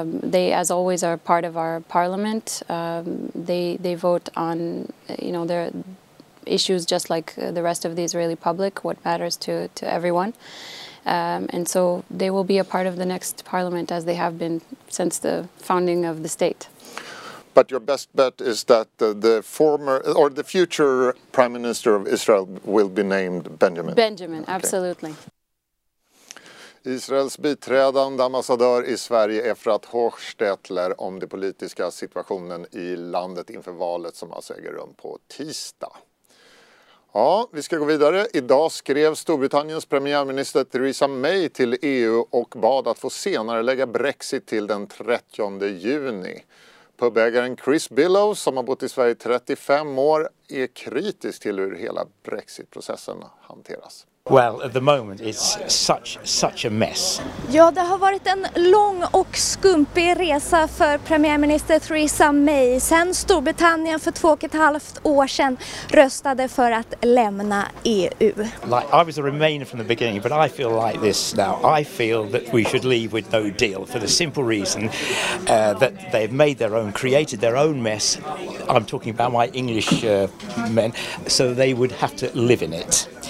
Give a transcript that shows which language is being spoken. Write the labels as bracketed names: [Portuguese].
[English] They, as always, are part of our parliament. They vote on, you know, their issues just like the rest of the Israeli public, what matters to everyone. And so they will be a part of the next parliament as they have been since the founding of the state. But your best bet is that the former or the future prime minister of Israel will be named Benjamin. Benjamin, okay. Absolutely. [Swedish] Israels biträdande ambassadör i Sverige Efrat Hochstetler om den politiska situationen i landet inför valet som alltså äger rum på tisdag. Ja, vi ska gå vidare. Idag skrev Storbritanniens premiärminister Theresa May till EU och bad att få senare lägga Brexit till den 30 juni. Pubägaren Chris Billow, som har bott i Sverige 35 år, är kritisk till hur hela Brexit-processen hanteras. [English] Well, at the moment it's such a mess. [Swedish] Ja, det har varit en lång och skumpig resa för premiärminister Theresa May sen Storbritannien för 2,5 år sedan röstade för att lämna EU. [English] Like, I was a Remainer from the beginning, but I feel like this now. I feel that we should leave with no deal for the simple reason that they've made their own, created their own mess. I'm talking about my English men, so they would have to live in it.